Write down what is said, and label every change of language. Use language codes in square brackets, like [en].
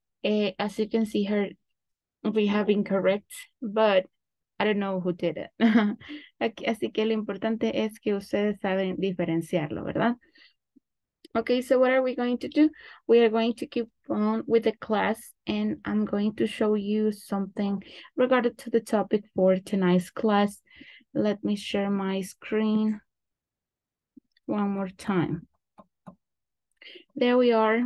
[en] As you can see here, we have incorrect, but I don't know who did it. [es] Así que lo importante es que ustedes saben diferenciarlo, ¿verdad? [en] Okay, so what are we going to do? We are going to keep on with the class, and I'm going to show you something regarding to the topic for tonight's class. Let me share my screen one more time. There we are.